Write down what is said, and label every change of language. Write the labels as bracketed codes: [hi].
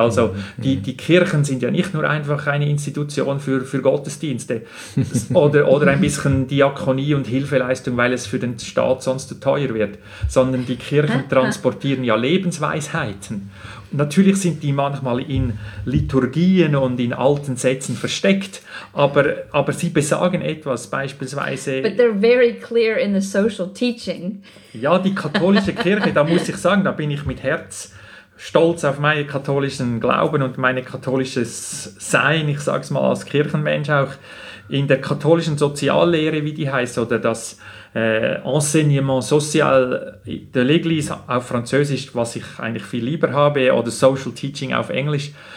[de] Also die Kirchen sind ja nicht nur einfach eine Institution für Gottesdienste oder ein bisschen Diakonie und Hilfeleistung, weil es für den Staat sonst zu teuer wird, sondern die Kirchen transportieren ja Lebensweisheiten. Natürlich sind die manchmal in Liturgien und in alten Sätzen versteckt, aber sie besagen etwas, beispielsweise... [en] But they're very clear in the social teaching. [de] Ja, die katholische Kirche, da muss ich sagen, da bin ich mit Herz stolz auf meinen katholischen Glauben und mein katholisches Sein, ich sage es mal als Kirchenmensch auch, in der katholischen Soziallehre, wie die heißt, oder das [fr] Enseignement social de l'Église [de] auf Französisch, was ich eigentlich viel lieber habe, oder Social Teaching auf Englisch.